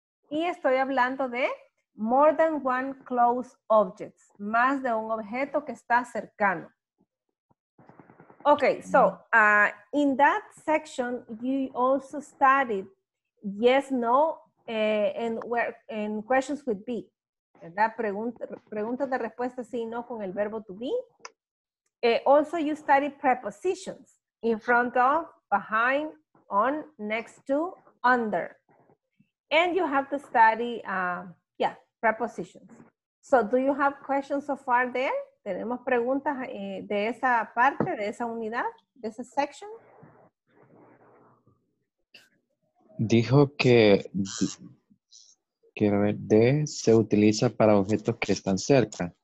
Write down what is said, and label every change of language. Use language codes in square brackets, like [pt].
[es] Y estoy hablando de [en] more than one close objects, [es] más de un objeto que está cercano. [en] Okay, so in that section, you also studied yes, no, and questions with be. [es] ¿Verdad? Preguntas de respuesta sí y no con el verbo to be. [en] Also, you studied prepositions. In front of, behind, on, next to, under. And you have to study, yeah, prepositions. So do you have questions so far there? [es] ¿Tenemos preguntas de esa parte, de esa unidad, de esa section? Dijo que, quiero ver, de se utiliza para objetos que están cerca.